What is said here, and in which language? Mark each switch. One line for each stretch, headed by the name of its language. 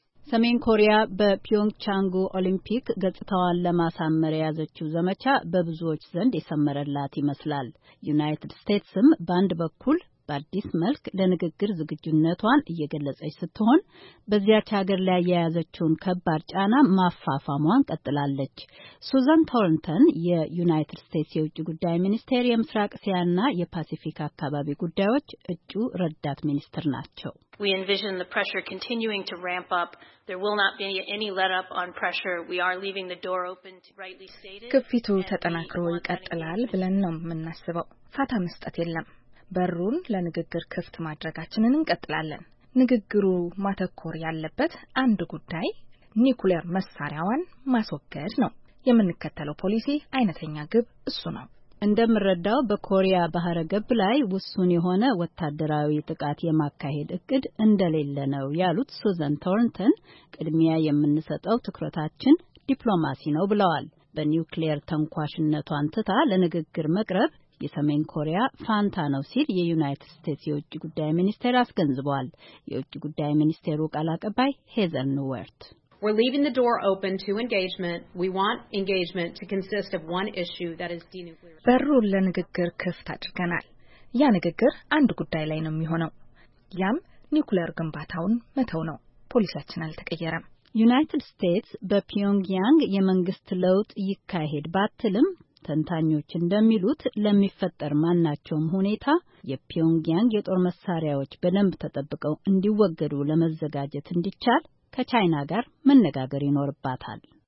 Amharic: ሰሜን ኮሪያ በፒዮንግቻንጉ ኦሊምፒክ ገጽታዋን ለማሳመር የያዘችው ዘመቻ በብዙዎች ዘንድ የሰመረላት ይመስላል። ዩናይትድ ስቴትስም በአንድ በኩል በአዲስ መልክ ለንግግር ዝግጁነቷን እየገለጸች ስትሆን በዚያች ሀገር ላይ የያዘችውን ከባድ ጫና ማፋፋሟን ቀጥላለች። ሱዛን ቶርንተን የዩናይትድ ስቴትስ የውጭ ጉዳይ ሚኒስቴር የምስራቅ እስያና የፓሲፊክ አካባቢ ጉዳዮች እጩ ረዳት ሚኒስትር ናቸው።
English: We envision the pressure continuing to ramp up. There will not be any let up on pressure. We are leaving the door open to rightly stated.
Amharic: ክፍቱ ተጠናክሮ ይቀጥላል ብለን ነው የምናስበው። ፈታ መስጠት የለም። በሩን ለንግግር ክፍት ማድረጋችንን እንቀጥላለን። ንግግሩ ማተኮር ያለበት አንድ ጉዳይ ኒኩሌር መሳሪያዋን ማስወገድ ነው። የምንከተለው ፖሊሲ አይነተኛ ግብ እሱ ነው። እንደምረዳው በኮሪያ ባህረ ገብ ላይ ውሱን የሆነ ወታደራዊ ጥቃት የማካሄድ እቅድ እንደሌለ ነው ያሉት ሱዛን ቶርንተን፣ ቅድሚያ የምንሰጠው ትኩረታችን ዲፕሎማሲ ነው ብለዋል። በኒውክሌር ተንኳሽነቷን ትታ ለንግግር መቅረብ የሰሜን ኮሪያ ፋንታ ነው ሲል የዩናይትድ ስቴትስ የውጭ ጉዳይ ሚኒስቴር አስገንዝቧል። የውጭ ጉዳይ ሚኒስቴሩ ቃል አቀባይ ሄዘን ኑወርት
English: We're leaving the door open to engagement. We want engagement to consist of one issue that is denuclearization.
Amharic: በሩ ለንግግር ክፍት አድርገናል። ያ ንግግር አንድ ጉዳይ ላይ ነው የሚሆነው። ያም ኒኩሌር ግንባታውን መተው ነው። ፖሊሳችን አልተቀየረም። ዩናይትድ ስቴትስ በፒዮንግያንግ የመንግስት ለውጥ ይካሄድ ባትልም ተንታኞች እንደሚሉት ለሚፈጠር ማናቸውም ሁኔታ የፒዮንግያንግ የጦር መሳሪያዎች በደንብ ተጠብቀው እንዲወገዱ ለመዘጋጀት እንዲቻል ከቻይና ጋር መነጋገር ይኖርባታል።